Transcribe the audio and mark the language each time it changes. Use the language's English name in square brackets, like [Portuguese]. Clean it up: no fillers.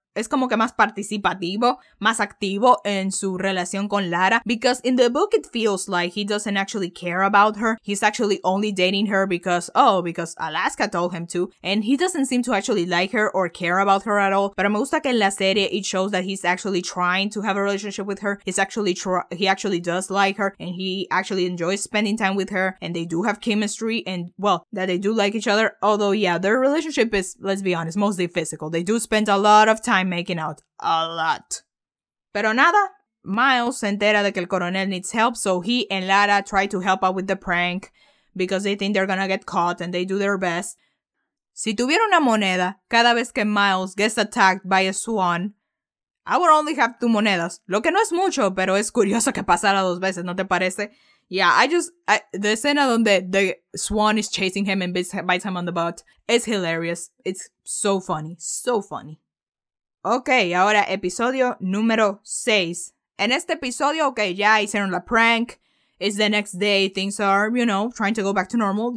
[Spanish] Es como que más participativo, más activo en su relación con Lara. [English] Because in the book, it feels like he doesn't actually care about her. He's actually only dating her because Alaska told him to. And he doesn't seem to actually like her or care about her at all. [Spanish] Pero me gusta que en la serie, [English] it shows that he's actually trying to have a relationship with her. He actually does like her. And he actually enjoys spending time with her. And they do have chemistry. And, well, that they do like each other. Although, yeah, their relationship is, let's be honest, mostly physical. They do spend a lot of time making out a lot. [Spanish] Pero nada, Miles se entera de que el coronel [English] needs help, so he and Lara try to help out with the prank because they think they're gonna get caught and they do their best. [Spanish] Si tuviera una moneda, cada vez que [English] Miles gets attacked by a swan, I would only have 2 monedas. [Spanish] Lo que no es mucho, pero es curioso que pasara 2 veces, ¿no te parece? [English] Yeah, the [Spanish] escena donde [English] the swan is chasing him and bites him on the butt is hilarious. It's so funny, so funny. Ok, [Spanish] ahora episodio número 6. En este episodio, ok, ya hicieron la prank. [English] It's the next day. Things are, you know, trying to go back to normal.